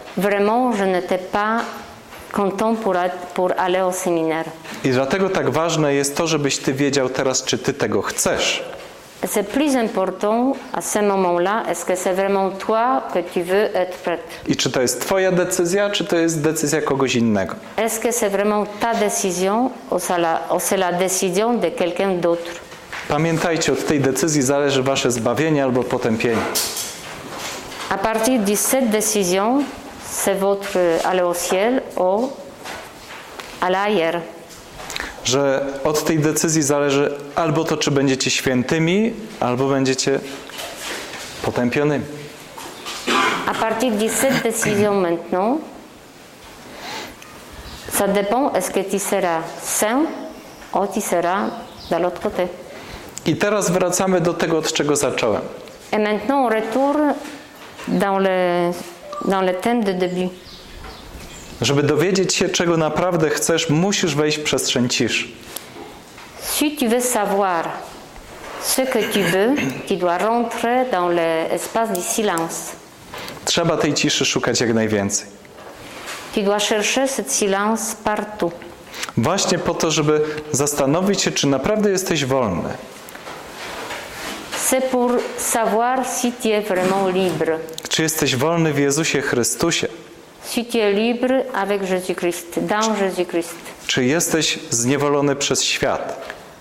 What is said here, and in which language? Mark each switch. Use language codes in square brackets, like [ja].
[fr] Vraiment, je n'étais pas content pour aller au séminaire. [pl] I dlatego tak ważne jest to, żebyś ty wiedział teraz, czy ty tego chcesz. [fr] C'est plus important à ce moment-là, est-ce que c'est vraiment toi que tu veux être prêtre? [pl] I czy to jest twoja decyzja, czy to jest decyzja kogoś innego? [fr] Est-ce que c'est vraiment ta décision ou c'est la décision de quelqu'un d'autre? [pl] Pamiętajcie, od tej decyzji zależy wasze zbawienie albo potępienie. [fr] À partir de cette décision, c'est votre aller au ciel ou aller ailleurs. [pl] Że od tej decyzji zależy albo to, czy będziecie świętymi, albo będziecie potępionymi. [fr] A partir de cette décision maintenant, ça dépend, est-ce que tu seras saint ou tu seras de l'autre côté. [pl] I teraz wracamy do tego, od czego zacząłem. [fr] Et maintenant, retour dans le thème de début. [pl] Żeby dowiedzieć się, czego naprawdę chcesz, musisz wejść w przestrzeń ciszy. [fr] Si tu veux savoir ce que tu veux, tu dois rentrer dans l'espace du silence. [pl] Trzeba tej ciszy szukać jak najwięcej. [fr] Tu dois chercher ce silence partout. [pl] Właśnie po to, żeby zastanowić się, czy naprawdę jesteś wolny. [fr] C'est pour savoir si tu es vraiment libre. [pl] Czy jesteś wolny w Jezusie Chrystusie? [fr] Si tu es libre avec Jésus-Christ, dans Jésus-Christ. [pl] Czy jesteś zniewolony przez świat?